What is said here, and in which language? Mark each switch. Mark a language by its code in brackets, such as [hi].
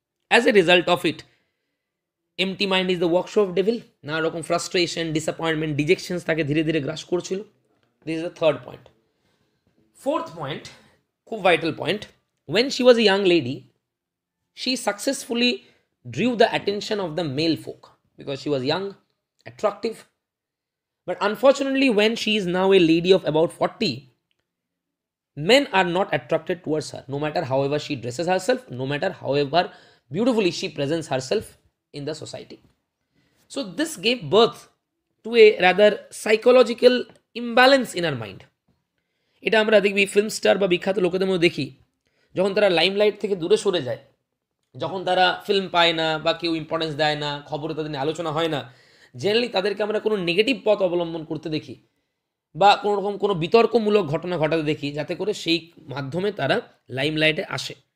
[en] as a result of it, empty mind is the workshop of devil, নানা রকম frustration, disappointment, dejections [bn] তাকে ধীরে ধীরে গ্রাস করছিল। [en] This is the third point. Fourth point, খুব vital point, when she was a young lady, she successfully drew the attention of the male folk, because she was young, attractive, But unfortunately, when she is now a lady of about 40, men are not attracted towards her, no matter however she dresses herself, no matter however beautifully she presents herself in the society. So this gave birth to a rather psychological imbalance in her mind. [bn] এটা আমরা দেখবি film star বা বিখ্যাত লোকেদের মধ্যে দেখি, যখন তারা লাইমলাইট থেকে দূরে সরে যায়, যখন তারা ফিল্ম পায় না বা কেউ ইম্পর্টেন্স দেয় না, খবরে তাদের নিয়ে আলোচনা হয় না, জেনারেলি তাদেরকে আমরা কোনো নেগেটিভ পথ অবলম্বন করতে দেখি বা কোনো রকম কোনো বিতর্কমূলক ঘটনা ঘটাতে দেখি, যাতে করে সেই মাধ্যমে তারা লাইমলাইটে আসে।